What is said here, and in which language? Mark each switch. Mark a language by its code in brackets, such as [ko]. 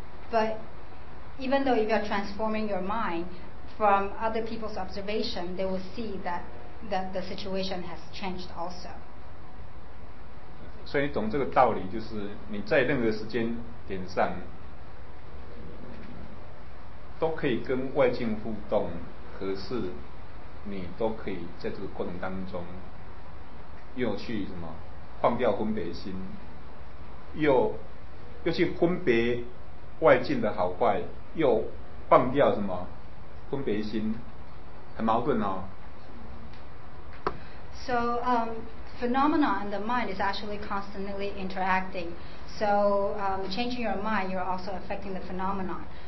[en] But even though you are transforming your mind, from other people's observation, they will see that the situation has changed also. [zh] 所以你懂这个道理，就是你在任何时间点上。都可以跟外境互动，可是你都可以在这个过程当中又去什么放掉分别心，又去分别外境的好坏，又放掉什么分别心，很矛盾哦。 [en] So, phenomena in the mind is actually constantly interacting. So, changing your mind, you're also affecting the phenomena.